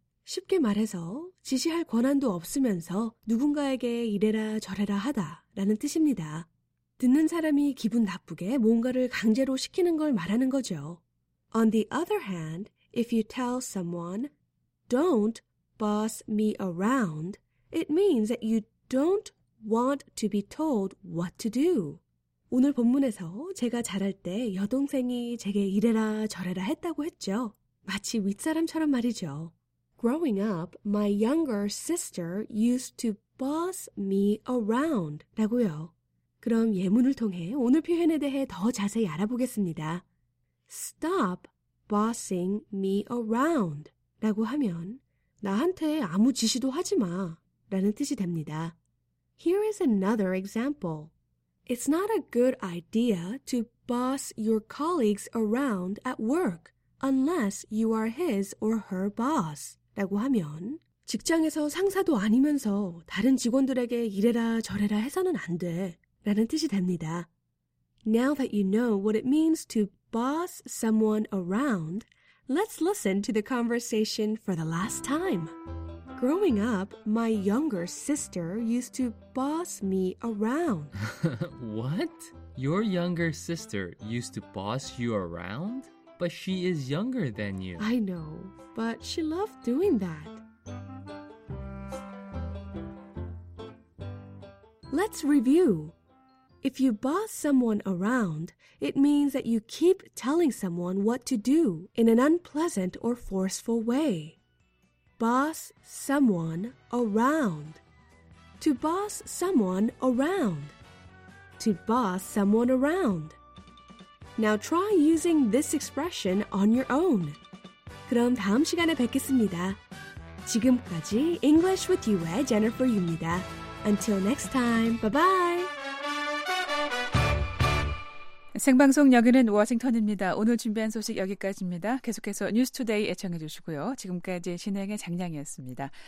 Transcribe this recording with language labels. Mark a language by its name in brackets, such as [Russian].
[Korean] 쉽게 말해서 지시할 권한도 없으면서 누군가에게 이래라 저래라 하다 라는 뜻입니다. 듣는 사람이 기분 나쁘게 뭔가를 강제로 시키는 걸 말하는 거죠. [English] On the other hand, if you tell someone, don't boss me around, it means that you don't want to be told what to do. [Korean] 오늘 본문에서 제가 자랄 때 여동생이 제게 이래라 저래라 했다고 했죠. 마치 윗사람처럼 말이죠. [English] Growing up, my younger sister used to boss me around [Korean] 라고요. 그럼 예문을 통해 오늘 표현에 대해 더 자세히 알아보겠습니다. [English] Stop bossing me around [Korean] 라고 하면 나한테 아무 지시도 하지 마 라는 뜻이 됩니다. [English] Here is another example. It's not a good idea to boss your colleagues around at work unless you are his or her boss [Korean] 라고 하면 직장에서 상사도 아니면서 다른 직원들에게 이래라 저래라 해서는 안 돼 라는 뜻이 됩니다. [English] Now that you know what it means to boss someone around, let's listen to the conversation for the last time. Growing up, my younger sister used to boss me around. What? Your younger sister used to boss you around? But she is younger than you. I know, but she loved doing that. Let's review. If you boss someone around, it means that you keep telling someone what to do in an unpleasant or forceful way. Boss someone around. To boss someone around. To boss someone around. Now try using this expression on your own. [Korean] 그럼 다음 시간에 뵙겠습니다. 지금까지 [English] English with you의 Jennifer입니다. Until next time, bye-bye! [Korean] 생방송 여기는 워싱턴입니다. 오늘 준비한 소식 여기까지입니다. 계속해서 뉴스투데이 애청해 주시고요. 지금까지 진행의 장량이었습니다.